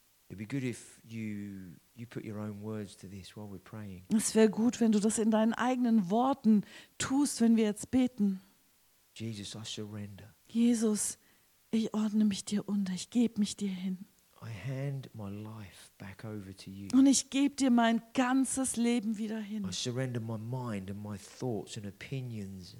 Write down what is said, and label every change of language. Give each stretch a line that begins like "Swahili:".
English: It'd be good if you put your own words to this while we're praying.
German: Es wäre gut, wenn du das in deinen eigenen Worten tust, wenn wir jetzt beten.
English: Jesus, I surrender.
German: Jesus, ich ordne mich dir unter. Ich gebe mich dir hin.
English: I hand my life back over to you.
German: Und ich gebe dir mein ganzes Leben wieder hin.
English: I surrender my mind and my thoughts and opinions.